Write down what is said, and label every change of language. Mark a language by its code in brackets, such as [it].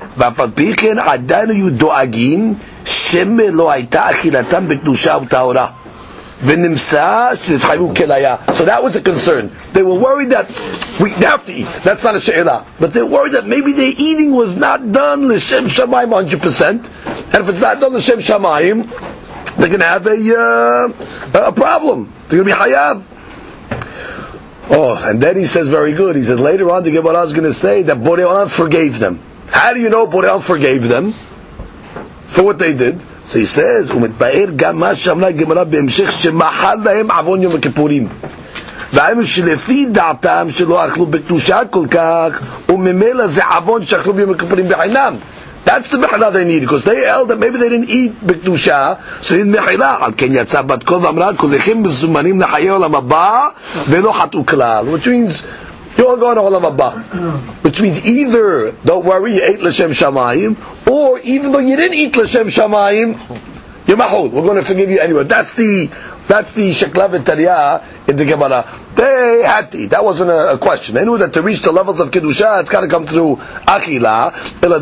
[he] V'afal pichen adanu yu do'agin, שמה לא הייתה אכילתם בקדושה ובטהרה ונמסה שנתחייבו כליה. [en] So that was a concern. They were worried that we have to eat. That's not a שאלה. But they were worried that maybe their eating was not done לשם שמיים 100%. And if it's not done לשם שמיים, they're going to have a problem. They're going to be חייב. Oh, and then he says very good. He says later on, the Gemara is going to say that Borei Olam forgave them. How do you know Borei Olam forgave them for what they did? So he says, [he] ומתבאר גם מה שאמרה גמרא בהמשך שמחל להם עוון יום הכיפורים. והאם שלפי דעתם שלא אכלו בקדושה כל כך, וממילא זה עוון שאכלו ביום הכיפורים בחינם. [en] That's the מחילה they need, because they held that maybe they didn't eat בקדושה, so they need מחילה. [he] על כן יצא בת קול ואמרה, כולכם מזומנים לחיי עולם הבא, ולא חטאו כלל. [en] Which means, you all go to Olam Abba. Which means either, don't worry, you ate L'Shem Shamayim, or even though you didn't eat L'Shem Shamayim, You're mahul. We're going to forgive you anyway. That's the sheklav and tariya in the Gemara. They had to eat. That wasn't a question. They knew that to reach the levels of kedusha, it's got to come through achila.